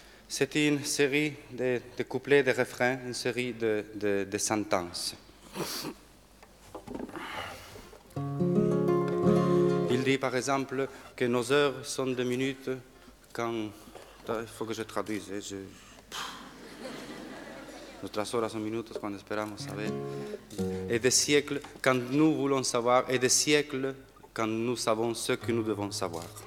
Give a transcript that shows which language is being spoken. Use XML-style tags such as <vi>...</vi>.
<fr>C'est une série de couplets, de refrains, une série de sentences. Il dit par exemple que nos heures sont de minutes quand... Il faut que je traduise.</fr> <es>Nuestras horas son minutos cuando esperamos saber.</es> <fr>Et des siècles quand nous voulons savoir. Et des siècles quand nous savons ce que nous devons savoir.</fr>